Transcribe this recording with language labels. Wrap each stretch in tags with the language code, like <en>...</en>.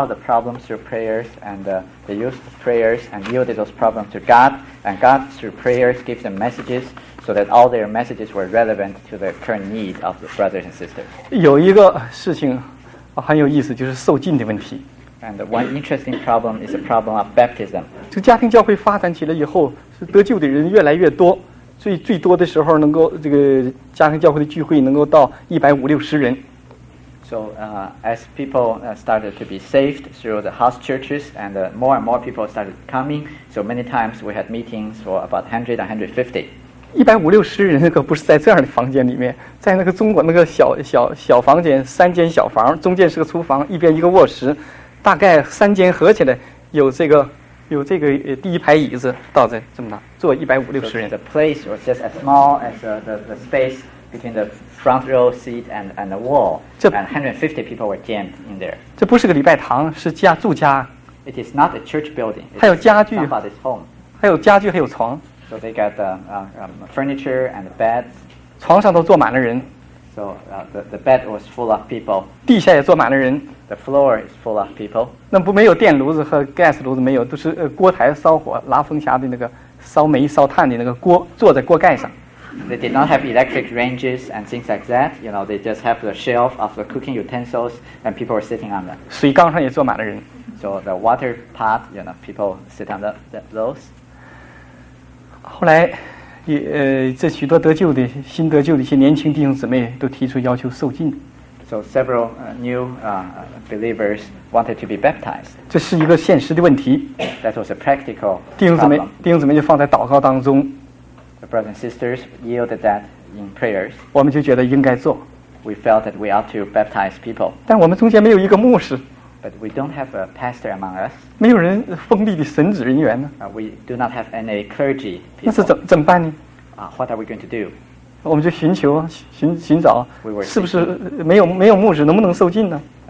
<en>They saw the problems through prayers and they used prayers and yielded those problems to God and God through prayers gave them messages so that all their messages were relevant to the current need of the brothers and sisters</en> <zh>有一个事情很有意思就是受浸的问题</zh> <en>And one interesting problem is the problem of baptism.</en> <zh>这家庭教会发展起来以后，是得救的人越来越多，最多的时候能够这个家庭教会的聚会能够到150-160人。</zh> <en>So as people started to be saved through the house churches, more and more people started coming, so many times we had meetings for about 100 to 150.</en> <zh>150-160人可不是在这样的房间里面，在那个中国那个小房间，三间小房，中间是个厨房，一边一个卧室。大概三间合起来有这个第一排椅子到这这么大坐150-160人</zh> <en>so the place was just as small as the space between the front row seat and the wall and 150 people were jammed in there</en> <zh>这不是个礼拜堂是家住家</zh> <en>it is not a church building</en> <zh>还有家具</zh> <en>it's somebody's home</en> <zh>还有家具还有床</zh> <en>so they got the furniture and the beds</en> <zh>床上都坐满了人</zh> <en>so the bed was full of people</en> <zh>地下也坐满了人</zh> <en>The floor is full of people.</en> <zh>那不没有电炉子和 gas 炉子没有，都是锅台烧火，拉风匣的那个烧煤烧炭的那个锅，坐在锅盖上。</zh> <en>They did not have electric ranges and things like that. You know, they just have the shelf of the cooking utensils and people were sitting on them.</en> <zh>水缸上也坐满了人。</zh> <en>So the water pot, you know, people sit on those.</en> <zh>后来也这许多得救的新得救的一些年轻弟兄姊妹都提出要求受浸。</zh> <en>So several new believers wanted to be baptized.</en> <zh>这是一个现实的问题。</zh> <en>That was a practical problem.</en> <zh>弟兄姊妹就放在祷告当中。</zh> <en>The brothers and sisters yielded that in prayers.</en> <zh>我们就觉得应该做。</zh> <en>We felt that we ought to baptize people.</en> <zh>但我们中间没有一个牧师。</zh> <en>But we don't have a pastor among us.</en> <zh>没有人奉立的神职人员呢。</zh> <en>We do not have any clergy people.</en> <zh>那是怎么办呢？</zh> <en>What are we going to do?</en> <zh>我们就寻找，是不是没有牧师，能不能受浸呢？</zh>